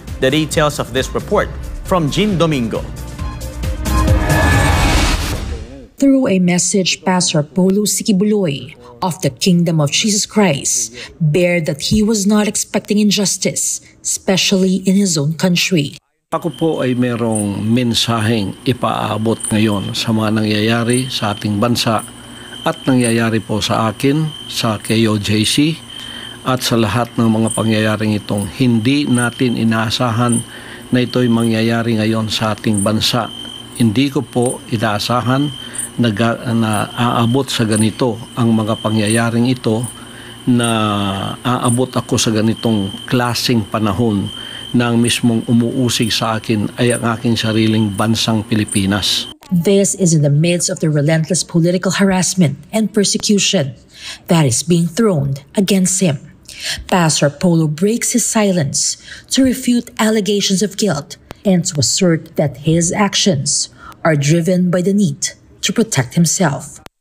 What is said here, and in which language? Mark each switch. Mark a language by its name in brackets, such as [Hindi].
[English] The details of this report from Jean Domingo. Through a message, Pastor Apollo C. Kibaloy of the Kingdom of Jesus Christ bared that he was not expecting injustice, especially in his own country. [Filipino] Ako po ay merong mensaheng ipaabot ngayon sa mga nangyayari sa ating bansa at nangyayari po sa akin, sa KOJC, at sa lahat ng mga pangyayaring itong hindi natin inaasahan na ito'y mangyayari ngayon sa ating bansa. Hindi ko po inaasahan na aabot sa ganito ang mga pangyayaring ito, na aabot ako sa ganitong klaseng panahon na ang mismong umuusig sa akin ay ang aking sariling bansang Pilipinas. [English] This is in the midst of the relentless political harassment and persecution that is being thrown against him. Pastor Apollo breaks his silence to refute allegations of guilt and to assert that his actions are driven by the need to protect himself.